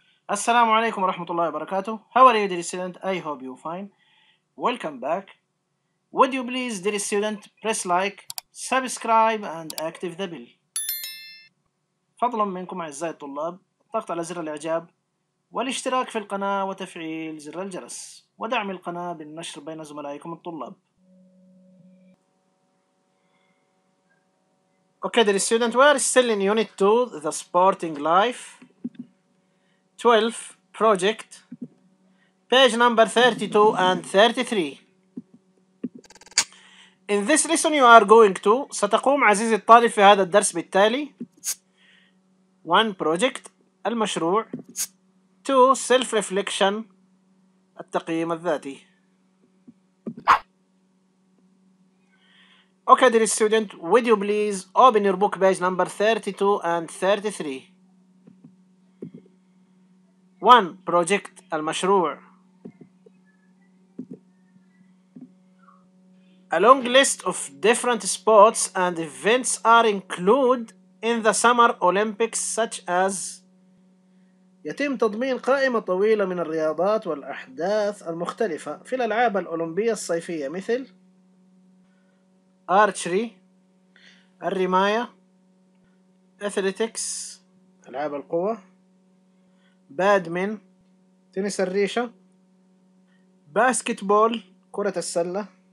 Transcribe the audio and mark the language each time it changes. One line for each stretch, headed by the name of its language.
Arabic: السلام عليكم ورحمة الله وبركاته.
English: How are you, dear student? I hope you're fine. Welcome back. Would you please, dear student, press like, subscribe and active the bell.
Arabic: فضلا منكم أعزائي الطلاب الضغط على زر الإعجاب والاشتراك في القناة وتفعيل زر الجرس ودعم القناة بالنشر بين زملائكم الطلاب.
English: Okay, dear student, we are still in Unit 2, The Sporting Life. 12 project page number 32 and 33. In this lesson you are going to,
Arabic: ستقوم عزيزي الطالب في هذا الدرس بالتالي: 1 project المشروع, 2 self reflection التقييم الذاتي.
English: Okay dear student, would you please open your book page number 32 and 33. 1 project المشروع. A long list of different sports and events are included in the Summer Olympics such as.
Arabic: يتم تضمين قائمة طويلة من الرياضات والأحداث المختلفة في الألعاب الأولمبية الصيفية مثل Archery الرماية, Athletics ألعاب القوة, بادمن تنس الريشة, باسكتبول كرة السلة,